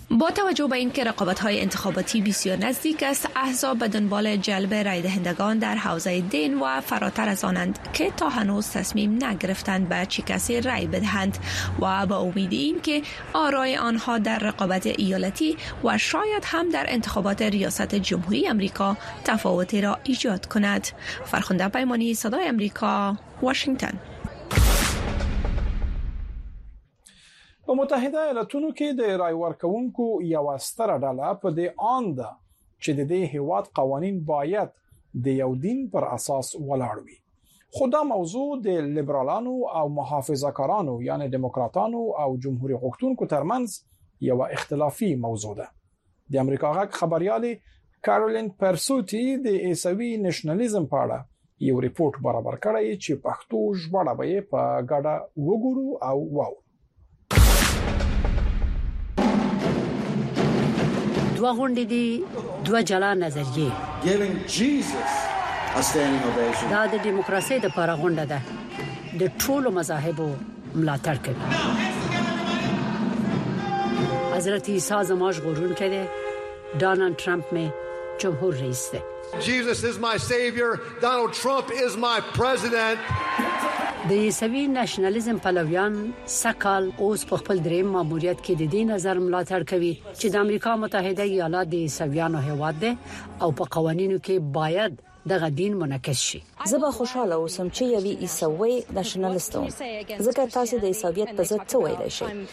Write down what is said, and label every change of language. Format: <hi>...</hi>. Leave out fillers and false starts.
<fa>با توجه به اینکه رقابت‌های انتخاباتی بسیار نزدیک است، احزاب به دنبال جلب رای دهندگان در حوزه دین و فراتر از آنند که تا هنوز تصمیم نگرفتند به چه کسی رای بدهند و با امید اینکه آرای آنها در رقابت ایالتی و شاید هم در انتخابات ریاست جمهوری آمریکا تفاوتی را ایجاد کند. فرخنده پیمانی، صدای آمریکا، واشنگتن.</fa> <ps>په متحده ایالاتونو کې د رای ورکونکو یو ستره ډله په دې اند چې د دې هیواد قوانین باید د یو دین پر اساس ولاړ وي. خو دا موضوع د لیبرالانو او محافظه‌کارانو یعنی دموکراتانو او جمهوری غوښتونکو ترمنځ یو اختلافي موضوع ده. د امریکا غږ خبریالې کارولین پرسوتی د عیسوي نشنالیزم په اړه یو رپورټ برابر کړی چې پښتو ژباړه به یې په ګډه وګورو او واورو. دو غونډې دي، دو جلا نظریې. دا د ډیموکراسۍ د پاره غونډه ده، د ټولو مذاهبو ملاتړ کوي. حضرت عیسی زما ژغورون کړی، ډونالډ ترامپ مې جمهور رئیس دی.</ps> <en>Jesus is my savior, Donald Trump is my president.</en> <ps>د عیسوي نشنالیزم پلویان سکال اوس په خپل دریم ماموریت کې د دې نظر ملاتړ کوي چې د امریکا متحده ایالات د عیسویانو هیواد دی او په قوانینو کې باید دغه دین منعکس شي. زه به خوشحاله اوسم چې یوې عیسوي نشنالیست وم، ځکه تاسو د عیسویت په ضد څه ویلی شئ.</ps>